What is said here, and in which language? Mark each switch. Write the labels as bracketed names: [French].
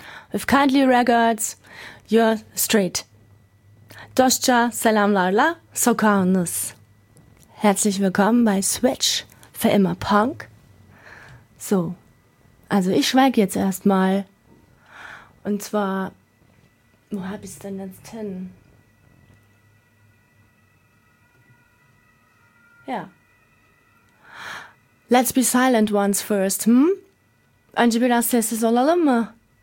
[English] With kindly regards, your street. Doscha salam lala, sokaunus. [German] Herzlich willkommen bei Switch, für immer Punk. So, also ich schweige jetzt erstmal. Und zwar, wo hab ich's denn jetzt hin? Ja. [English] Let's be silent once first, hm? [Turkish] Önce biraz sessiz olalım mı?